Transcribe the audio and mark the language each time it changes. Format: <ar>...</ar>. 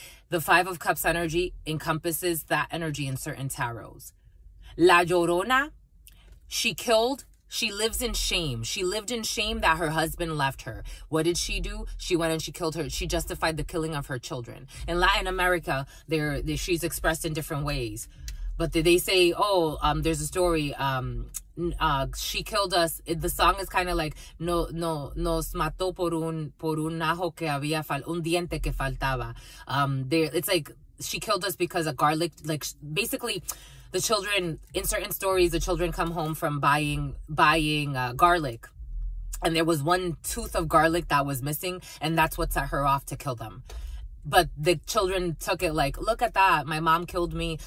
<en>The Five of Cups energy encompasses that energy in certain tarots. La Llorona, she killed, She lives in shame. She lived in shame that her husband left her. What did she do? She went and she killed her. She justified the killing of her children. In Latin America, she's expressed in different ways. But they say, there's a story. She killed us. The song is kind of like,</en> <es>nos mató por un ajo que había un diente que faltaba.</es> <en>It's like, she killed us because a garlic, like, basically... The children, in certain stories, the children come home from buying garlic. And there was one tooth of garlic that was missing. And that's what set her off to kill them. But the children took it like, look at that. My mom killed me.</en>